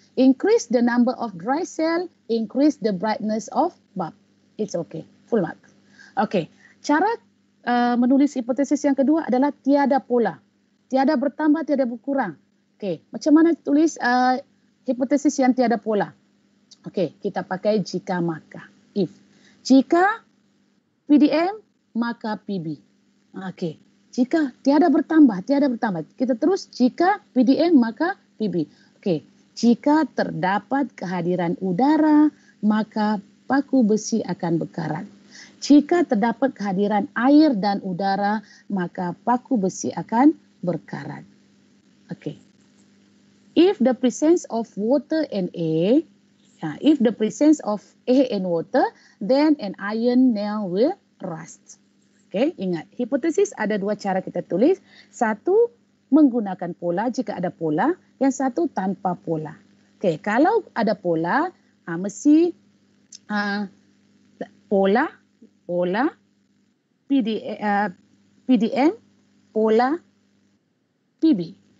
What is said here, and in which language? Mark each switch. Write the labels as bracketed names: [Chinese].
[English] Increase the number of dry cell, increase the brightness of bulb. It's okay, full mark. [Malay] Okay, cara menulis hipotesis yang kedua adalah tiada pola. Tiada bertambah, tiada berkurang. Okay, macam mana tulis hipotesis yang tiada pola? Okay, kita pakai jika maka, if. Jika PDM, maka PB. Okey, jika tiada bertambah, tiada bertambah. Kita terus, jika PDM maka PB. Okey, jika terdapat kehadiran udara, maka paku besi akan berkarat. Jika terdapat kehadiran air dan udara, maka paku besi akan berkarat. Okey. [English] If the presence of water and air, if the presence of air and water, then an iron nail will rust. [Malay] Okay, ingat, hipotesis ada dua cara kita tulis. Satu, menggunakan pola jika ada pola. Yang satu, tanpa pola. Okay, kalau ada pola, mesti pola, PDM, pola, PB.